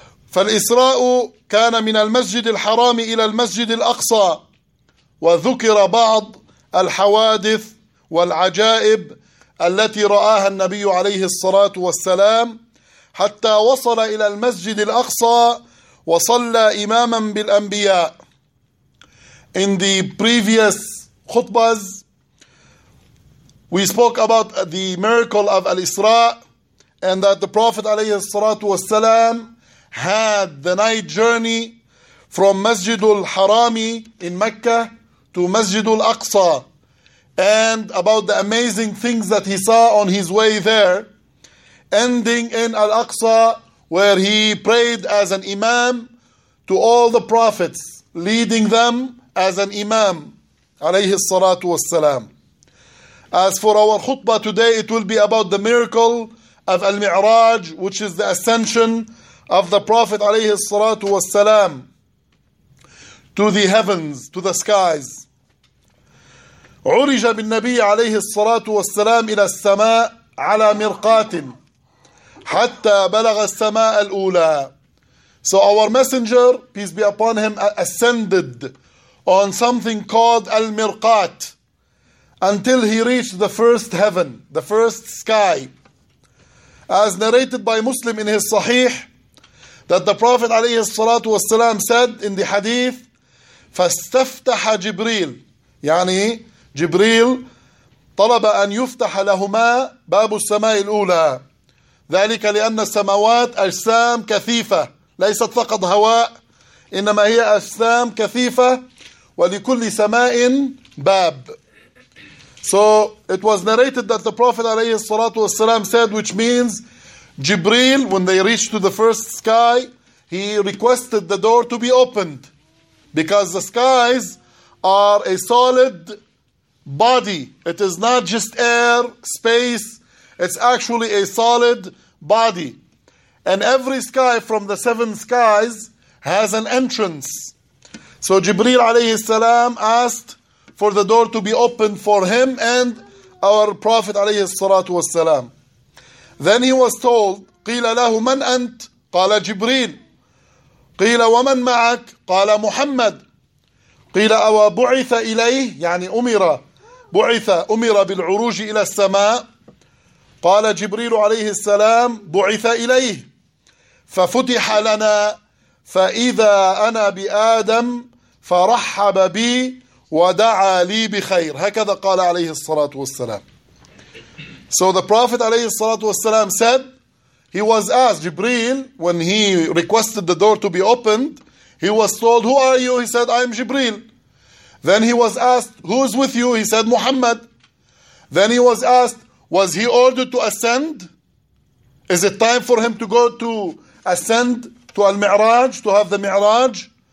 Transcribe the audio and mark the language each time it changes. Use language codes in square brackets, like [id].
[ar] فالإسراء كان من المسجد الحرام إلى المسجد الأقصى، وذكر بعض الحوادث والعجائب التي رآها النبي عليه الصلاة والسلام حتى وصل إلى المسجد الأقصى وصلى إماما بالأنبياء. [en] In the previous khutbas, we spoke about the miracle of Al-Isra and that the Prophet alayhi salatu wasalam had the night journey from Masjidul Harami in Mecca to Masjidul Aqsa, and about the amazing things that he saw on his way there, ending in Al-Aqsa, where he prayed as an imam to all the prophets, leading them as an imam [ar] عليه الصلاة والسلام. [en] As for our khutbah today, it will be about the miracle of Al-Mi'raj, which is the ascension of the Prophet [ar] عليه الصلاة والسلام [en] to the heavens, to the skies. [ar] عرج بالنبي عليه الصلاة والسلام إلى السماء على مرقات حتى بلغ السماء الأولى. [en] So our messenger, peace be upon him, ascended on something called Al-Mirqat, until he reached the first heaven, the first sky. As narrated by Muslim in his Sahih, that the Prophet [ar] عليه الصلاة والسلام [en] said in the Hadith, [ar] فاستفتح جبريل, يعني جبريل طلب أن يفتح لهما باب السماء الأولى. ذلك لأن السماوات أجسام كثيفة، ليست فقط هواء، إنما هي أجسام كثيفة، ولكل سماء باب. [en] So it was narrated that the Prophet [ar] عليه الصلاة والسلام [en] said, which means Jibril, when they reached to the first sky, he requested the door to be opened, because the skies are a solid body. It is not just air, space, it's actually a solid body. And every sky from the seven skies has an entrance. So Jibril alayhi salam asked for the door to be opened for him and our Prophet alayhi salatu wasalam. Then he was told, [ar] قِيلَ لَهُ مَنْ أَنْتَ؟ قَالَ جِبْرِيلَ. قِيلَ وَمَنْ مَعَكَ؟ قَالَ مُحَمَّدَ. قِيلَ أَوَا بُعِثَ إِلَيْهِ، يعني أُمِرَ بِالْعُرُوجِ إِلَى السَّمَاءِ. قَالَ جِبْرِيلُ عَلَيْهِ السَّلَامُ بُعِثَ إِلَيْهِ فَفُتِحَ لَنَا فإذا أنا بآدم فرحب بي ودعا لي بخير. هكذا قال عليه الصلاة والسلام. [en] So the Prophet عليه الصلاة والسلام said, He was asked, Jibreel, when he requested the door to be opened, he was told, who are you? He said, I am Jibreel. Then he was asked, who is with you? He said, Muhammad. Then he was asked, was he ordered to ascend? Is it time for him to go to ascend to Al-Mi'raj, to have the Mi'raj?